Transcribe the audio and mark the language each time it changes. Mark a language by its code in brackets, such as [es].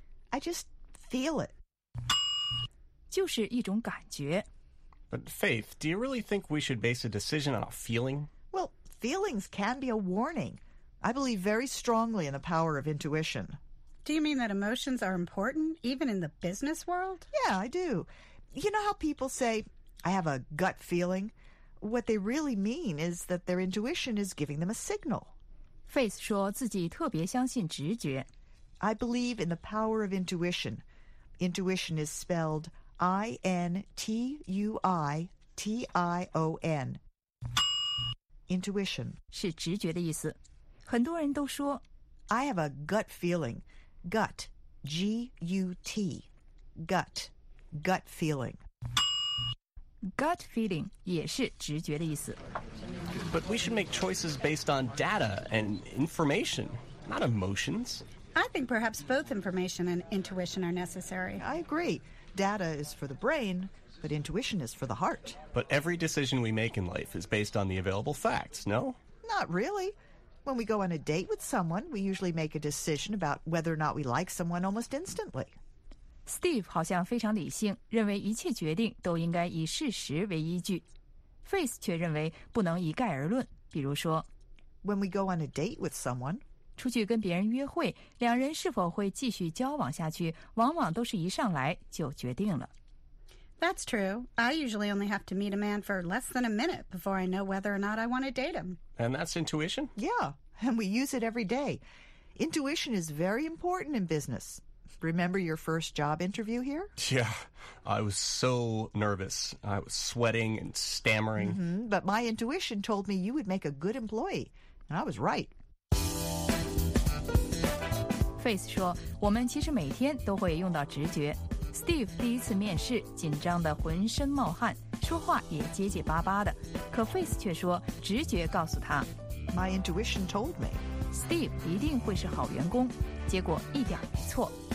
[en] I just feel it. [zh] 就是一种感觉。 [en] But Faith, do you really think we should base a decision on a feeling? Well, feelings can be a warning. I believe very strongly in the power of intuition. Do you mean that emotions are important, even in the business world? Yeah, I do. You know how people say, I have a gut feeling? What they really mean is that their intuition is giving them a signal. [zh] Faith 说自己特别相信直觉。 [en] I believe in the power of intuition. Intuition is spelled I-N-T-U-I-T-I-O-N. Intuition. [zh] 是直觉的意思。很多人都说 [en] I have a gut feeling. Gut. G-U-T. Gut. Gut feeling. [zh] Gut feeling 也是直觉的意思。 [en] But we should make choices based on data and information, not emotions. I think perhaps both information and intuition are necessary. I agree. Data is for the brain, but intuition is for the heart. But every decision we make in life is based on the available facts, no? Not really. When we go on a date with someone, we usually make a decision about whether or not we like someone almost instantly. [zh] Steve 好像非常理性，认为一切决定都应该以事实为依据。 Faith 却认为不能一概而论，比如说 [en] When we go on a date with someone [zh] 出去跟别人约会，两人是否会继续交往下去，往往都是一上来就决定了。 [en] That's true. I usually only have to meet a man for less than a minute before I know whether or not I want to date him. And that's intuition? Yeah, and we use it every day. Intuition is very important in business. Remember your first job interview here? Yeah, I was so nervous. I was sweating and stammering. Mm-hmm. But my intuition told me you would make a good employee, and I was right. [zh] Faith 说，我们其实每天都会用到直觉。 Steve 第一次面试紧张得浑身冒汗，说话也结结巴巴的，可 Face 却说直觉告诉他 [en] My intuition told me [zh] Steve 一定会是好员工，结果一点没错。